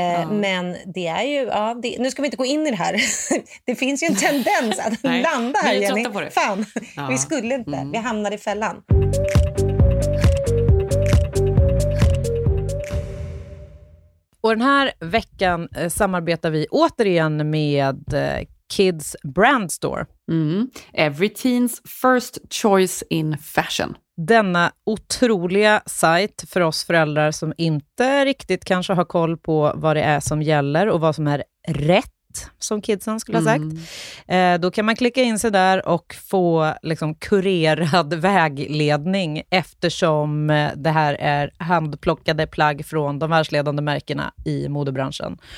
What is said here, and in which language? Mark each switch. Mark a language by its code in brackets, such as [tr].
[sv] Men det är ju nu ska vi inte gå in i det här. Det finns ju en tendens att landa här, Jenny. Fan, vi skulle inte. Vi hamnar i fällan. Och den här veckan samarbetar vi återigen med Kids Brand Store. [en] Every teen's first choice in fashion. [sv] Denna otroliga sajt för oss föräldrar som inte riktigt kanske har koll på vad det är som gäller och vad som är rätt, som kidsen skulle ha sagt. Då kan man klicka in sig där och få liksom kurerad vägledning, eftersom det här är handplockade plagg från de världsledande märkena i modebranschen.